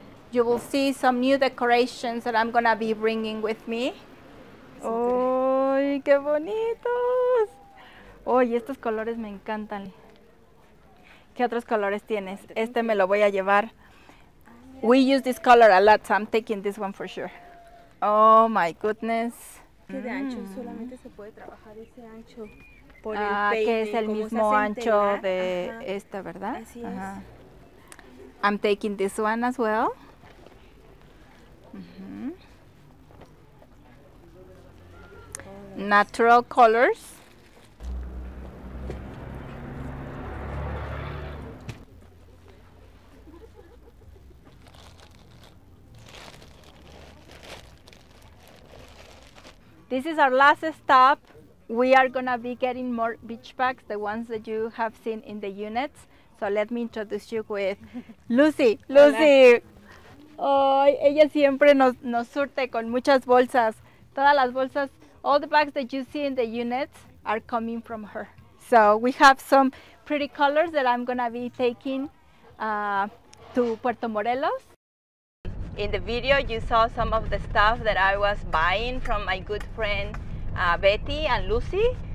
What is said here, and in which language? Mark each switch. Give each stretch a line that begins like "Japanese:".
English: You will see some new decorations that I'm gonna be bringing with me.
Spanish: ¡Ay, qué bonitos! ¡Ay, estos colores me encantan! ¿Qué otros colores tienes? Este me lo voy a llevar.
English: We use this color a lot, so I'm taking this one for sure. Oh my goodness.
Spanish: Que de ancho solamente se puede trabajar ese ancho por el peine, que es el mismo ancho de esta, ¿verdad? Así es.
English: I'm taking this one as well. Natural colors. This is our last stop. We are gonna be getting more beach bags, the ones that you have seen in the units. So let me introduce you with Lucy. Lucy. Hola.
Spanish: Oh, ella siempre nos surte con muchas bolsas. Todas las bolsas,
English: all the bags that you see in the units are coming from her. So we have some pretty colors that I'm gonna be taking to Puerto Morelos. In the video, you saw some of the stuff that I was buying from my good friend Betty and Lucy.